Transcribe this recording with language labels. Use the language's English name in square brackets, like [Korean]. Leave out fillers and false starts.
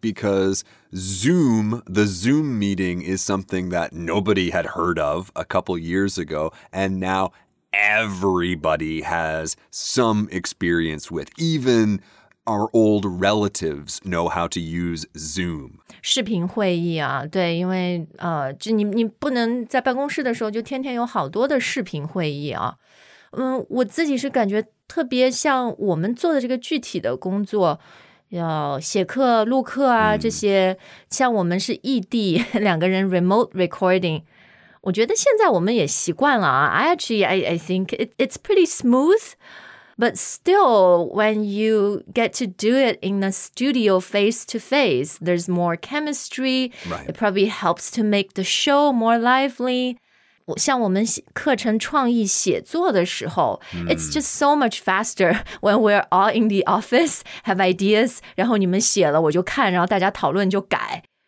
[English] Because the Zoom meeting is something that nobody had heard of a couple years ago, and now. Everybody has some experience with. Even our old relatives know how to use Zoom. [Chinese] 视频会议啊，对，因为就你不能在办公室的时候就天天有好多的视频会议啊。我自己是感觉特别像我们做的这个具体的工作，要写课、录课啊这些，像我们是异地，两个人 [English] remote recording。 [Chinese] 我觉得现在我们也习惯了啊。 [English] I think it's pretty smooth, but still, when you get to do it in the studio face to face, there's more chemistry. Right. It probably helps to make the show more lively. [Chinese] 像我们课程创意写作的时候、 [English] it's just so much faster when we're all in the office, have ideas, [Chinese] 然后你们写了我就看，然后大家讨论就改。